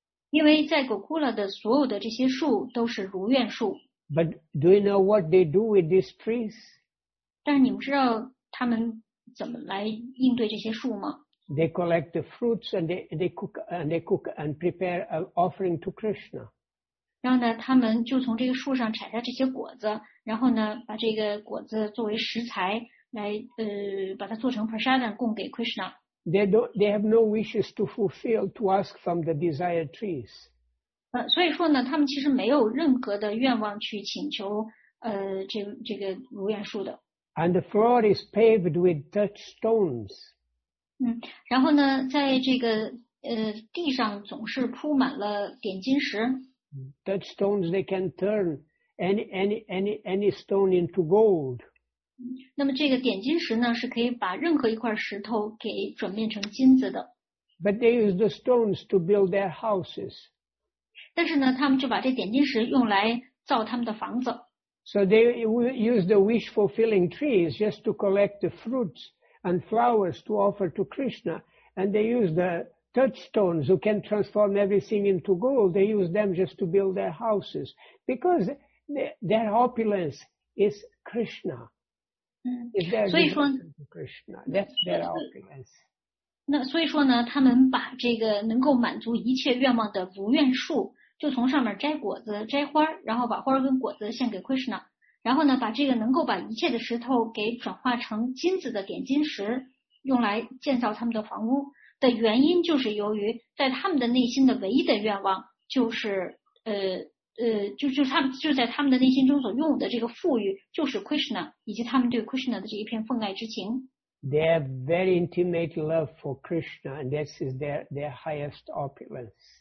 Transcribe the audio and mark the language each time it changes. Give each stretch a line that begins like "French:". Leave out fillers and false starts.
Chinese: 因为在狗窟了的所有的这些树都是如愿树。
English: But do you know what they do with these trees?
Chinese: 但你们知道他们怎么来应对这些树吗？
English: They collect the fruits and they cook and prepare an offering to Krishna.
Chinese: 然后呢，他们就从这个树上采下这些果子，然后呢，把这个果子作为食材来，把它做成 prasadam 供给 Krishna.
English: They have no wishes to fulfill to ask from the desired trees.
Chinese: 所以说呢，他们其实没有任何的愿望去请求，这个如愿树的。
English: And the floor is paved with touch stones.
Chinese: 然后呢，在这个地上总是铺满了点金石。
English: Touch stones, they can turn any stone into gold.
Chinese: 那么这个点金石呢，是可以把任何一块石头给转变成金子的。
English: But they use the stones to build their houses.
Chinese: 但是呢，他们就把这点金石用来造他们的房子。
English: So they use the wish fulfilling trees just to collect the fruits. And flowers to offer to Krishna, and they use the touchstones who can transform everything into gold. They use them just to build their houses because their opulence is Krishna. Is their devotion to Krishna? That's their opulence.
Chinese: 那所以说呢，他们把这个能够满足一切愿望的如愿树，就从上面摘果子、摘花，然后把花跟果子献给 Krishna。然后呢，把这个能够把一切的石头给转化成金子的点金石，用来建造他们的房屋的原因，就是由于在他们的内心的唯一的愿望就是就在他们的内心中所拥有的这个富裕，就是 Krishna 以及他们对 Krishna 的这一片奉爱之情。
English: They have very intimate love for Krishna, and this is their highest opulence.